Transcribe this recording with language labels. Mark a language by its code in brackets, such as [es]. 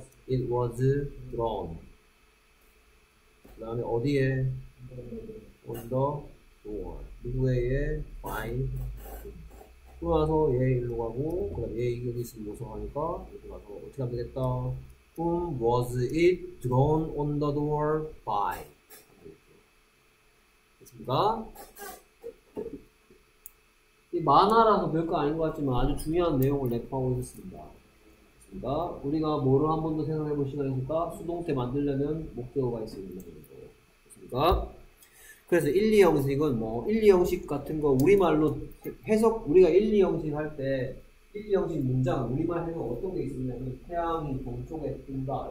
[en] It was drawn. [ko] 그 다음에 어디에? [en] On the door. [ko] 누구에게? [en] By. [ko] 그러고 나서 얘 일로 가고 그 다음에 얘 여기 있으면 모성하니까 이렇게 가서 어떻게 하면 되겠다? [en] Whom was it drawn on the door by? [ko] 이 만화라서 별 거 아닌 것 같지만 아주 중요한 내용을 내포하고 있습니다. 그렇습니다. 우리가 뭐를 한 번 더 생각해 볼 시간이 있을까? 수동태 만들려면 목적어가 있습니다. 그렇습니까? 그래서 1, 2형식은 뭐, 1, 2형식 같은 거, 우리말로 해석, 우리가 1, 2형식 할 때, 1, 2형식 문장, 우리말 해석 어떤 게 있었냐면, 태양이 동쪽에 뜬다.